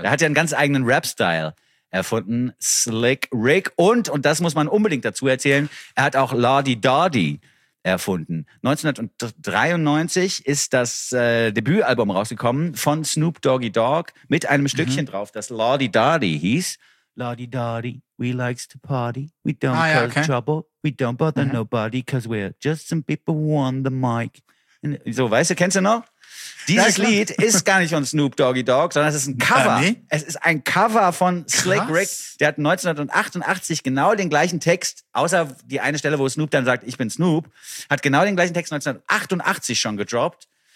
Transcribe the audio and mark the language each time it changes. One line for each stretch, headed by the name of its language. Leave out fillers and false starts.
German: So, er hat ja einen ganz eigenen Rap-Style erfunden. Slick Rick. Und das muss man unbedingt dazu erzählen, er hat auch Lordy Dordy erfunden. 1993 ist das Debütalbum rausgekommen von Snoop Doggy Dogg mit einem Stückchen drauf, das Lordy Dordy hieß.
English: Lordy Dordy, we likes to party, we don't cause trouble, we don't bother nobody, cause we're just some people on the mic. And, so,
German: weißt du, kennst du noch? Dieses Lied ist gar nicht von Snoop Doggy Dogg, sondern es ist ein Cover. Es ist ein Cover von Slick Rick. Der hat 1988 genau den gleichen Text, außer die eine Stelle, wo Snoop dann sagt, ich bin Snoop, hat genau den gleichen Text 1988 schon gedroppt.